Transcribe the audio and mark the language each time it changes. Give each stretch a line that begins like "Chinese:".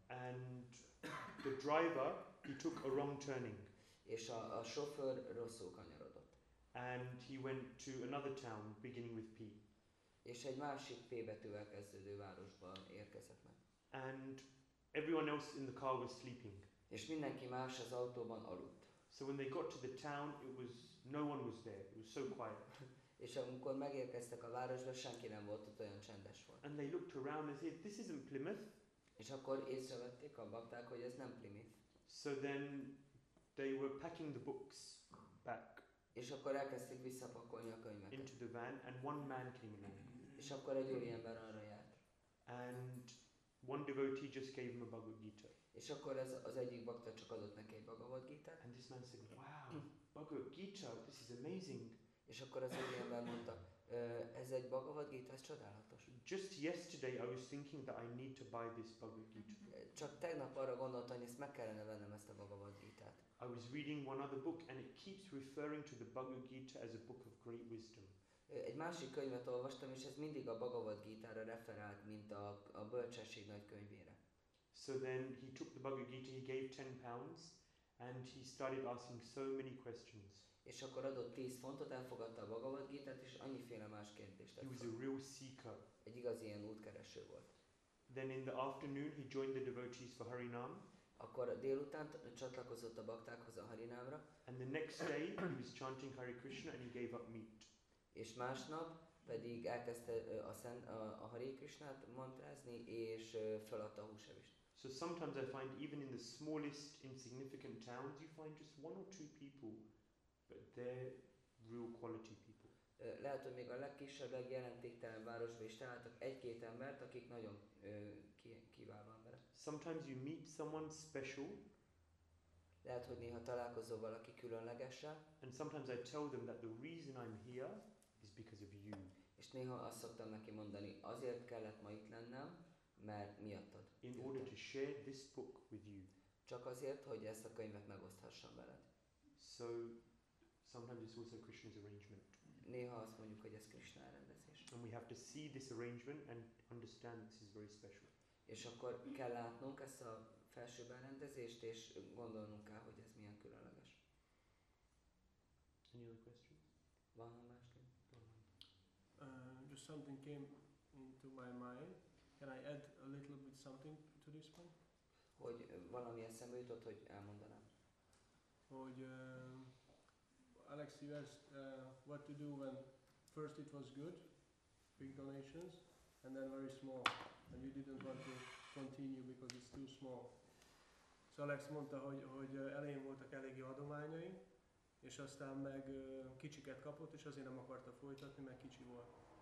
English: And the driver, he took a wrong turning.
Hungarian: És a sofőr rosszul kanyarodott.
English: And he went to another town beginning with P.
Hungarian: És egy másik P betűvel kezdődő városba érkezett meg.
English: And Everyone else in the car was sleeping.
Hungarian: És mindenki más az autóban aludt.
English: So when they got to the town, it was no one was there. It was so quiet.
Hungarian: És amikor megérkeztek a városba, senki nem volt ott, olyan csendes volt.
English: And they looked around and said, "This isn't Plymouth."
Hungarian: És akkor észrevették a bakták, hogy ez nem Plymouth.
English: So then they were packing the books back.
Hungarian: És akkor elkezdték visszapakolni a könyveket.
English: Into the van, and one man came along.
Hungarian: És akkor egy új ember arra járt.
English: And one devotee just gave him a Bhagavad Gita.
Hungarian: És akkor ez az egyik bakta csak adott neki egy Bhagavad Gita.
English: And this man said, "Wow, Bhagavad Gita, this is amazing."
Hungarian: És akkor az új ember mondta, ez egy Bhagavad Gita, ez csodálatos.
English: Just yesterday I was thinking that I need to buy this Bhagavad Gita.
Hungarian: Csak tegnap arra gondoltam, hogy ezt meg kellene vennem, ezt a Bhagavad Gita-t.
English: I was reading one other book and it keeps referring to the Bhagavad Gita as a book of great wisdom.
Hungarian: Egy másik könyvet olvastam, és ez mindig a Bhagavad Gita-ra referált, mint a bölcsesség nagy könyvére.
English: So then he took the Bhagavad Gita, he gave 10 pounds and he started asking so many questions.
Hungarian: És akkor adott 10 fontot, elfogadta a Bhagavad Gita-t, és annyiféle más kérdést tett.
English: He was a real seeker.
Hungarian: Egy igazi ilyen útkereső volt.
English: Then in the afternoon he joined the devotees for Harinam.
Hungarian: Akkor délután csatlakozott a baktákhoz a Harinámra.
English: And the next day he was chanting Hare Krishna and he gave up meat.
Hungarian: És másnap pedig elkezdte a Hare Krishnát mantrázni, és feladta a húsevést.
English: So sometimes I find even in the smallest insignificant towns you find just one or two people, but they're real quality people.
Hungarian: Lehet, hogy még a legkisebb, legjelentéktelen városban is találtak egy-két embert, akik nagyon kiváló emberek.
English: Sometimes you meet someone special.
Hungarian: Lehet, hogy néha találkozol valaki különlegessel.
English: And sometimes I tell them that the reason I'm here is because of you.
Hungarian: És néha azt szoktam neki mondani, azért kellett ma itt lennem, mert miattad.
English: In order to share this book with you.
Hungarian: Csak azért, hogy ezt a könyvet megoszthassam veled.
English: So sometimes it's also Krishna's arrangement.
Hungarian: Néha azt mondjuk, hogy ez Krishna elrendezés.
English: And we have to see this arrangement and understand this is very special.
Hungarian: És akkor kell látnunk ezt a felsőbb elrendezést, és gondolnunk kell, hogy ez milyen különleges.
English: Any other questions?
Hungarian: Van más kérdés?
English: Just something came into my mind. Can I add a little bit something to this one?
Hungarian: Hogy valami eszembe jutott, hogy elmondanám. Hogy
English: Alex, you asked what to do when first it was good, big donations, and then very small, and you didn't want to continue because it's too small.
Hungarian: So Alex mondta, hogy elején voltak eléggé adományai, és aztán meg kicsiket kapott, és azért nem akarta folytatni, mert kicsi volt.